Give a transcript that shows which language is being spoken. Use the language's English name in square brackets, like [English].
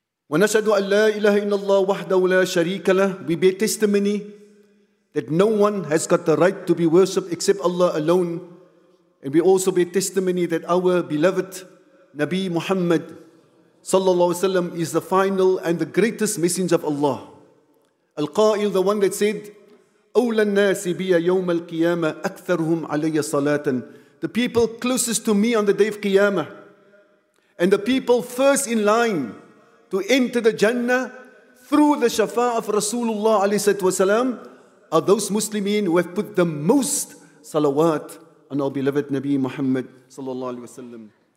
[Arabic] وَنَشَدُ أَنْ لَا إِلَهَ إِنَّ اللَّهُ وَحْدَهُ لَا شَرِيكَ لَهُ. [English] We bear testimony that no one has got the right to be worshipped except Allah alone. And we also bear testimony that our beloved Nabi Muhammad sallallahu alayhi wa sallam is the final and the greatest messenger of Allah. [Arabic] Al-Qa'il, [English] the one that said, [Arabic] أولى الناس بي يوم القيامة أكثرهم علي صلاة. [English] The people closest to me on the day of Qiyamah, and the people first in line to enter the Jannah through the Shafa'ah of Rasulullah alayhi wasalam are those Muslimin who have put the most salawat on our beloved Nabi Muhammad sallallahu alayhi wasallam.